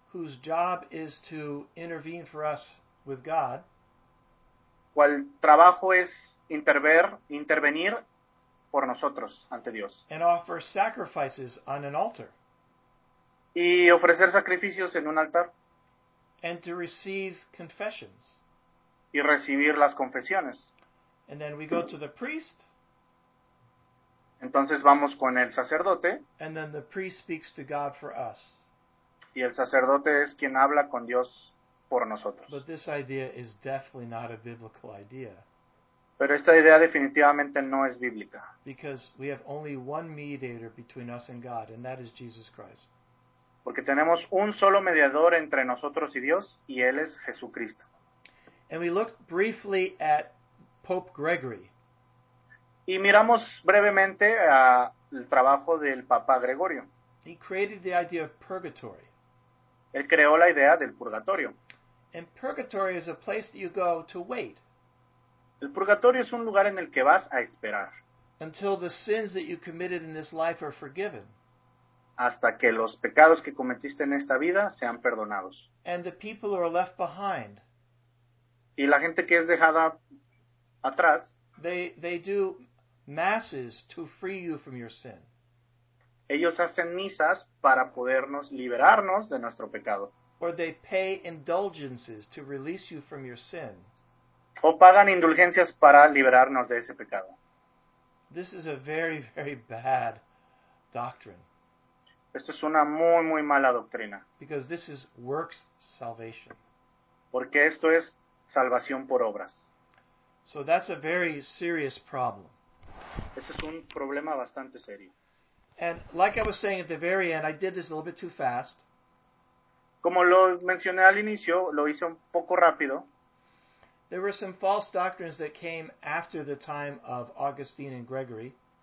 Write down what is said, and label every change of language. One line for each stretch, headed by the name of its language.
English: Whose job is to intervene for us with God.
Spanish: Cual trabajo es intervenir por nosotros ante Dios.
English: And offer sacrifices on an altar.
Spanish: Y ofrecer sacrificios en un altar.
English: And to receive confessions.
Spanish: Y recibir las confesiones.
English: And then we go to the priest.
Spanish: Entonces vamos con el sacerdote.
English: And then the priest speaks to God for us.
Spanish: Y el sacerdote es quien habla con Dios por nosotros.
English: But this idea is definitely not a biblical idea.
Spanish: Pero esta idea definitivamente no es bíblica.
English: Because we have only one mediator between us and God, and that is Jesus Christ.
Spanish: Porque tenemos un solo mediador entre nosotros y Dios, y Él es Jesucristo.
English: And we looked briefly at Pope Gregory.
Spanish: Y miramos brevemente a el trabajo del Papa Gregorio.
English: He created the idea of purgatory.
Spanish: Él creó la idea del purgatorio.
English: And purgatory is a place that you go to wait.
Spanish: El purgatorio es un lugar en el que vas a esperar.
English: Until the sins that you committed in this life are forgiven.
Spanish: Hasta que los pecados que cometiste en esta vida sean perdonados.
English: And the people who are left behind.
Spanish: Y la gente que es dejada atrás.
English: They do masses to free you from your sin.
Spanish: Ellos hacen misas para podernos liberarnos de nuestro pecado.
English: Or they pay indulgences to release you from your sin.
Spanish: O pagan indulgencias para liberarnos de ese pecado.
English: This is a very, very bad doctrine.
Spanish: Esto es una muy, muy mala doctrina.
English: Because this is works salvation.
Spanish: Porque esto es salvación por obras.
English: So that's a very serious problem.
Spanish: Ese es un problema bastante serio.
English: And like I was saying at the very end, I did this a little bit too fast.
Spanish: Como lo mencioné al inicio, lo hice un poco rápido.
English: There were some false doctrines that came after the time of Augustine and Gregory.